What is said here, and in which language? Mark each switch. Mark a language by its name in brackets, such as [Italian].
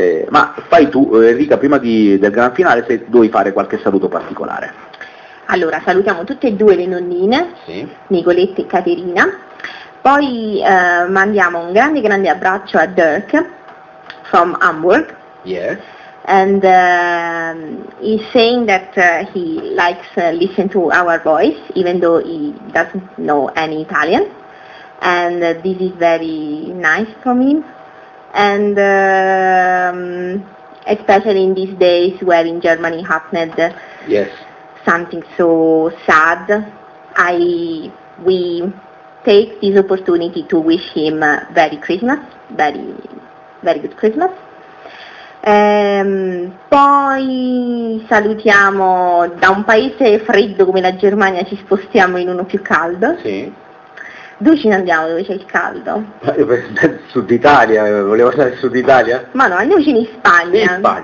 [Italian] Ma fai tu, Enrica, prima del gran finale, se vuoi fare qualche saluto particolare. Allora, salutiamo tutte e due le nonnine, sì. Nicoletta e Caterina, poi mandiamo un grande grande abbraccio a Dirk from Hamburg. [English] Yes. And he's saying that he likes listen to our voice, even though he doesn't know any Italian. And this is very nice for me. And especially in these days where in Germany happened yes. something so sad, we take this opportunity to wish him a very Christmas, very, very good Christmas. [Italian] Poi salutiamo da un paese freddo come la Germania, ci spostiamo in uno più caldo. Sì. Dove ci andiamo dove c'è il caldo? Sud Italia, volevo andare in Sud Italia. Ma no, andiamoci in Spagna.